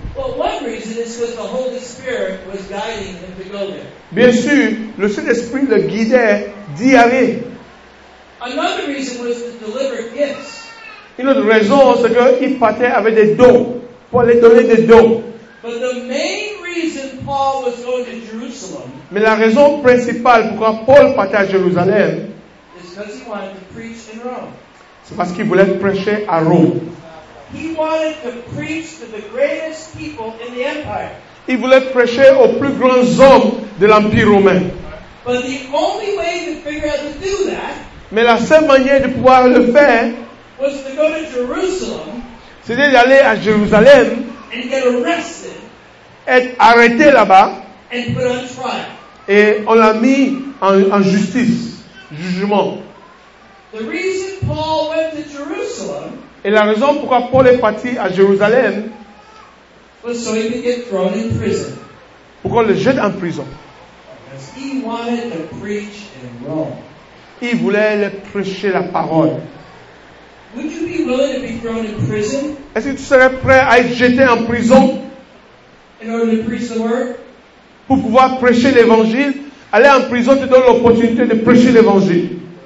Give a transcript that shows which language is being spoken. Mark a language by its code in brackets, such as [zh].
[en] Well, one reason is because the Holy Spirit was guiding him to go there. [fr] Bien sûr, le Saint-Esprit le guidait d'y aller. [en] Another reason was to deliver gifts. [fr] Une autre raison, c'est qu'il partait avec des dons, pour aller donner des dons. [en] But the main reason Paul was going to Jerusalem. [fr] Mais la raison principale pourquoi Paul partait à Jérusalem, [en] because he wanted to preach in Rome. [fr] C'est parce qu'il voulait prêcher à Rome. [en] He wanted to preach to the greatest people in the empire. [fr] Il voulait prêcher aux plus grands hommes de l'Empire romain. [en] But the only way to figure out to do that, [fr] mais la seule manière de pouvoir le faire, [en] was to go to Jerusalem, [fr] c'était d'aller à Jérusalem, [en] and get arrested, [fr] être arrêté là-bas, [en] and put on trial. [fr] Et on l'a mis en justice. Jugement. [en] The reason Paul went to Jerusalem, [fr] et la raison pourquoi Paul est parti à Jérusalem, [en] was so he could get thrown in prison. [fr] Pour qu'on le jette en prison. [en] Because he wanted to preach in Rome. [fr] Il voulait le prêcher la parole. [en] Would you be willing to be thrown in prison? [fr] Est-ce que tu serais prêt à être jeté en prison? [en] In order to preach the word? [fr] Pour pouvoir prêcher l'évangile. Aller en prison te donne l'opportunité de prêcher l'évangile.